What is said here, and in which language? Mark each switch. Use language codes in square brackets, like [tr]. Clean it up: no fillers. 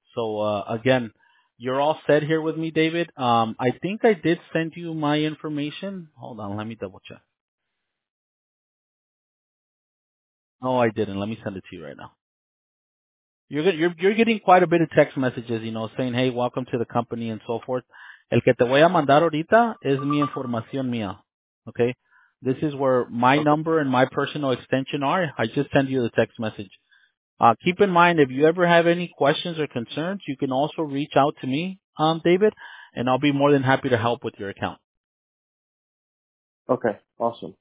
[en] So, again, you're all set here with me, David. I think I did send you my information. Hold on. Let me double check. No, I didn't. Let me send it to you right now. You're getting quite a bit of text messages, you know, saying, hey, welcome to the company and so forth. [es] El que te voy a mandar ahorita es mi información mía. [en] Okay? This is where my number and my personal extension are. I just send you the text message. Keep in mind, if you ever have any questions or concerns, you can also reach out to me, David, and I'll be more than happy to help with your account. Okay. Awesome.